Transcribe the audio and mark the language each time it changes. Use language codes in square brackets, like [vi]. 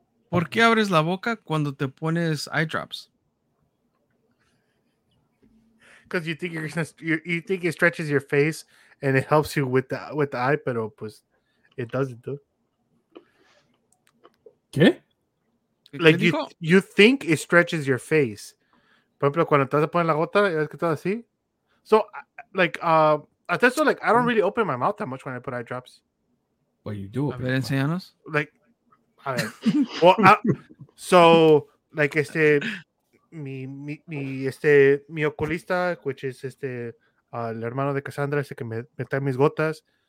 [es] ¿Por qué abres la boca cuando te pones eye drops? [en] Because you think you think it stretches your face and it helps you with the eye, [es] pero pues [en] it doesn't, dude. [es] ¿Qué? [en] Like you think it stretches your face. [es] Por ejemplo, cuando te pones la gota, es que todo así. [en] So, like, at this point, like, I don't really open my mouth that much when I put eye drops. Well, you do. [es] A ver, enséñanos. Like, a ver. [en] Well, so, like, [es] mi oculista, [en] which is [es] el hermano de Cassandra, ese que me trae mis gotas.